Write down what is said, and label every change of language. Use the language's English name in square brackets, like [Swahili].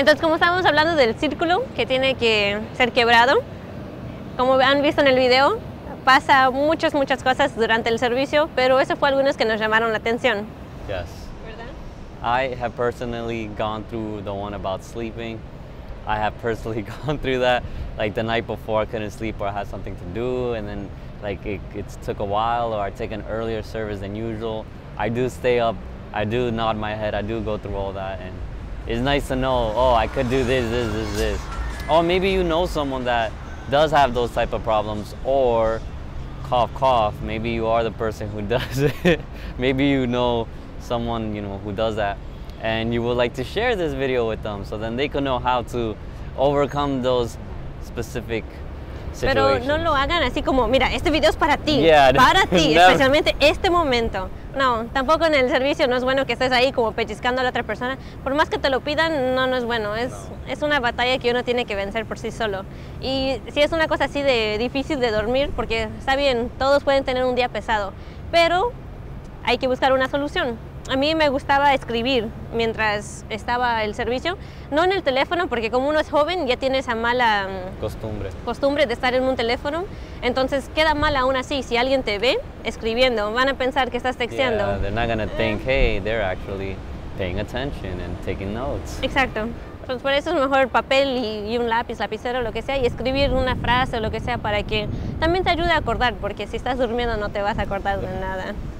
[Spanish] Entonces, como estábamos hablando del círculo que tiene que ser quebrado, como han visto en el video, pasa muchas, muchas cosas durante el servicio, pero eso fue algunas que nos llamaron la atención. [English] Yes. [Spanish] ¿Verdad? [English] I have personally gone through the one about sleeping. I have personally gone through that. Like the night before I couldn't sleep or I had something to do, and then like it took a while, or I take an earlier service than usual. I do stay up, I do nod my head, I do go through all that, and it's nice to know, oh, I could do this. Or maybe you know someone that does have those type of problems, or cough, maybe you are the person who does it. Maybe you know someone, you know, who does that, and you would like to share this video with them so then they could know how to overcome those specific situations. [Spanish] Pero no lo hagan así como, mira, este video es para ti, [English] yeah, [Spanish] para ti, especialmente este momento. No, tampoco en el servicio no es bueno que estés ahí como pellizcando a la otra persona. Por más que te lo pidan, no es bueno. Es una batalla que uno tiene que vencer por sí solo. Y si es una cosa así de difícil de dormir, porque está bien, todos pueden tener un día pesado, pero hay que buscar una solución. A mí me gustaba escribir mientras estaba el servicio, no en el teléfono, porque como uno es joven ya tiene esa mala costumbre de estar en un teléfono, entonces queda mal aún así si alguien te ve escribiendo, van a pensar que estás texteando. [English] Yeah, they're not gonna think, hey, they're actually paying attention and taking notes. [Spanish] Exacto, entonces por eso es mejor papel y un lapicero, lo que sea, y escribir una frase o lo que sea para que también te ayude a acordar, porque si estás durmiendo no te vas a acordar de nada.